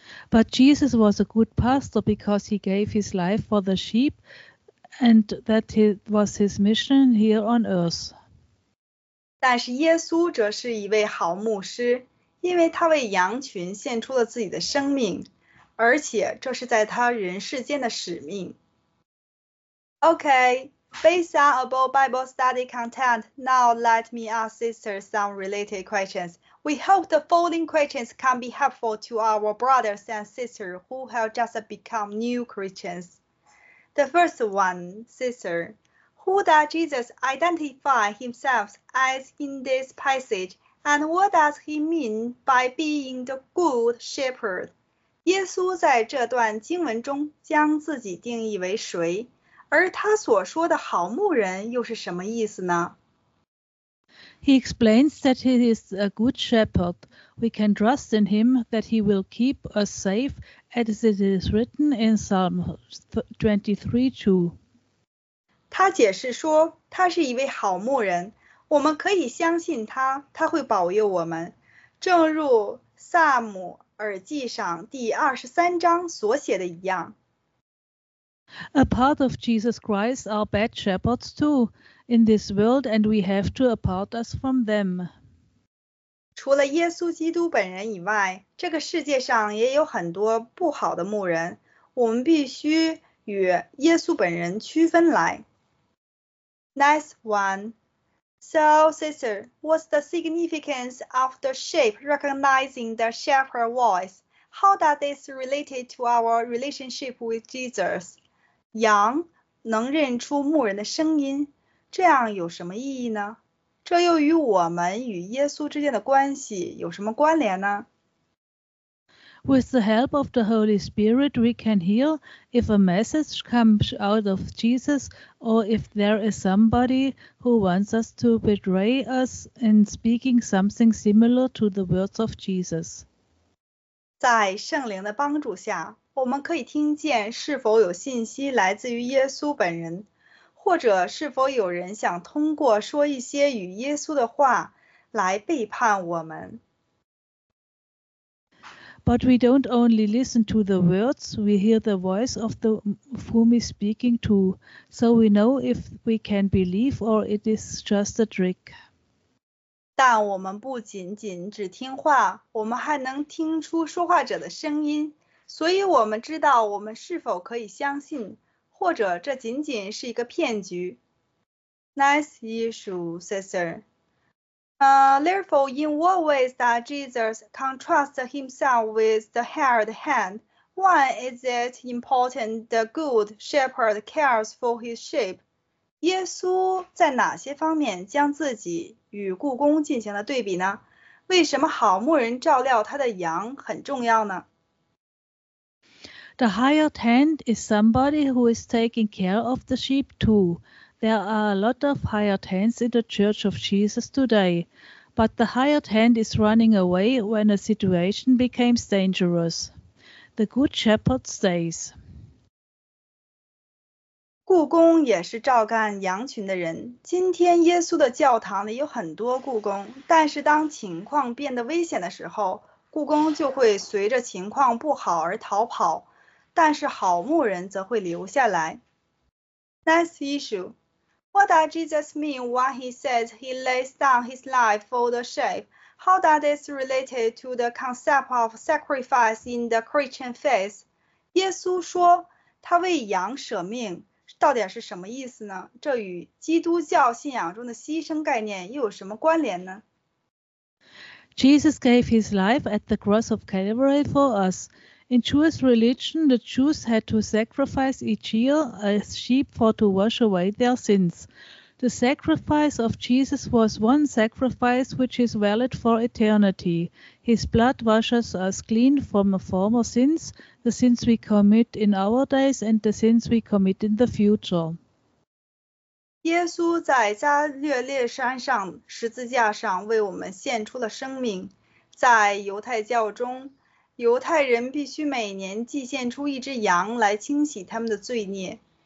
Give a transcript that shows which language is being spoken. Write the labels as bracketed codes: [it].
[en] But Jesus was a good pastor because he gave his life for the sheep, and that was his mission here on earth. [zh] 但是耶稣则是一位好牧师，因为他为羊群献出了自己的生命，而且这是在他人世间的使命。 [en] Okay. Based on above Bible study content, now let me ask sisters some related questions. We hope the following questions can be helpful to our brothers and sisters who have just become new Christians. The first one, sister, who does Jesus identify himself as in this passage, and what does he mean by being the good shepherd? [zh] 耶稣在这段经文中将自己定义为谁？而他所说的好牧人又是什么意思呢？ [en] He explains that he is a good shepherd. We can trust in him that he will keep us safe, as it is written in Psalm 23:2. [zh] 他解释说他是一位好牧人，我们可以相信他，他会保佑我们，正如撒母耳记上第23章所写的一样。 [en] A part of Jesus Christ are bad shepherds too in this world, and we have to apart us from them. [zh] 除了耶稣基督本人以外，这个世界上也有很多不好的牧人，我们必须与耶稣本人区分来。 [en] Next one. So, sister, what's the significance of the sheep recognizing the shepherd voice? How does this relate to our relationship with Jesus? [zh] 羊能认出牧人的声音，这样有什么意义呢？这又与我们与耶稣之间的关系有什么关联呢？ [en] With the help of the Holy Spirit, we can hear if a message comes out of Jesus, or if there is somebody who wants us to betray us in speaking something similar to the words of Jesus. [zh] 在圣灵的帮助下，我们可以听见是否有信息来自于耶稣本人，或者是否有人想通过说一些与耶稣的话来背叛我们。 [en] But we don't only listen to the words, we hear the voice of the whom is speaking to, so we know if we can believe or it is just a trick. [zh] 但我们不仅仅只听话，我们还能听出说话者的声音。所以我们知道我们是否可以相信，或者这仅仅是一个骗局。 [en] Nice issue, sister. Therefore, in what ways does Jesus contrast himself with the hired hand? Why is it important the good shepherd cares for his sheep? [zh] 耶稣在哪些方面将自己与雇工进行了对比呢？为什么好牧人照料他的羊很重要呢？ [en] The hired hand is somebody who is taking care of the sheep too. There are a lot of hired hands in the Church of Jesus today, but the hired hand is running away when a situation becomes dangerous. The good shepherd stays. [zh] 雇工也是照看羊群的人。今天耶稣的教堂里有很多雇工，但是当情况变得危险的时候，雇工就会随着情况不好而逃跑。但是好牧人则会留下来。 [en] Next issue. What does Jesus mean when he says he lays down his life for the sheep? How does this relate to the concept of sacrifice in the Christian faith? [zh] 耶稣说他为羊舍命，到底是什么意思呢？这与基督教信仰中的牺牲概念又有什么关联呢？ [en] Jesus gave his life at the cross of Calvary for us. In Jewish religion, the Jews had to sacrifice each year a sheep for to wash away their sins. The sacrifice of Jesus was one sacrifice which is valid for eternity. His blood washes us clean from former sins, the sins we commit in our days and the sins we commit in the future. [zh] 耶稣在加略列山上十字架上为我们献出了生命。在犹太教中，犹太人必须每年祭献出一只羊来清洗他们的罪孽。